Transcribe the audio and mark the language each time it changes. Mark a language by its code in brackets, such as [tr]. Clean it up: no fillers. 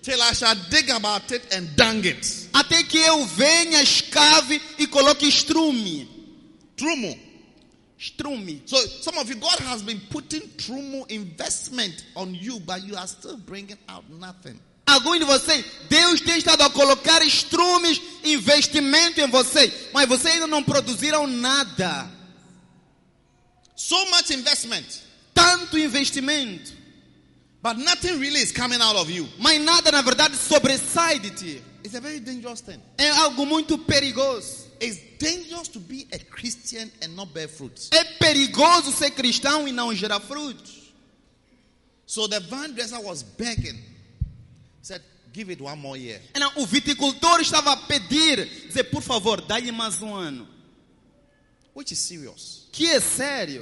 [en] Till I shall dig about it and dung it. [pt] Até que eu venha, escave e coloque estrume. Trumo. Estrume. [en] So some of you, God has been putting trumo investment on you, but you are still bringing out nothing. [pt] Alguns de vocês, Deus tem estado a colocar estrumes, investimento em vocês, mas vocês ainda não produziram nada. [en] So much investment. [pt] Tanto investimento. [en] But nothing really is coming out of you. [pt] Mas nada na verdade sobressai de ti. [en] It's a very dangerous thing. [pt] É algo muito perigoso. [en] It's dangerous to be a Christian and not bear fruit. [pt] É perigoso ser cristão e não gerar frutos. [en] So the vine dresser was begging. Said, give it one more year. [pt] Então o viticultor estava a pedir, dizer, por favor, dá-lhe mais um ano. [en] Which is serious. [pt] Que é sério.